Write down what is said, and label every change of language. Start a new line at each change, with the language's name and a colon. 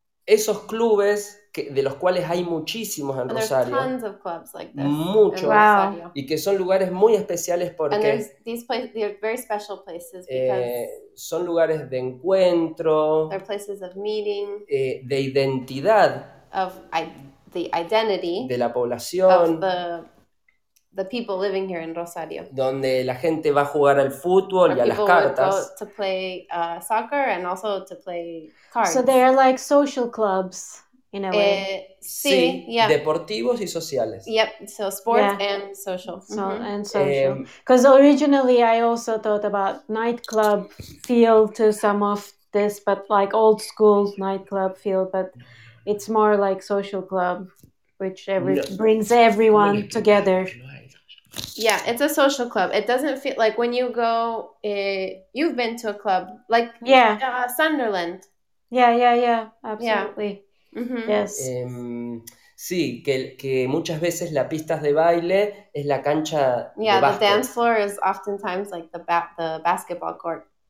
Spanish: Esos clubes, de los cuales hay muchísimos en Rosario.
English: There's tons of clubs like this.
Spanish: Muchos.
English: Wow.
Spanish: Y que son lugares muy especiales porque.
English: And these places, they're very special places because.
Spanish: Son lugares de encuentro.
English: They're places of meeting.
Spanish: De identidad.
English: Of the identity.
Spanish: De la población.
English: Of the people living here in Rosario.
Spanish: Donde la gente va a jugar al fútbol y a las cartas.
English: People go to play soccer and also to play cards. So they are like social clubs. In a way.
Spanish: Sí, sí,
English: yeah.
Spanish: Deportivos y sociales.
English: Yep, so sports, yeah. And social. So, mm-hmm. And social. Because originally I also thought about nightclub feel to some of this, but like old school nightclub feel, but it's more like social club, which brings everyone together. Yeah, it's a social club. It doesn't feel like when you go, you've been to a club, like Sunderland. Yeah, absolutely. Yeah. Mm-hmm. Yes.
Spanish: Sí, que muchas veces la pista de baile es la cancha de
English: Yeah, the dance floor is oftentimes like the basketball court.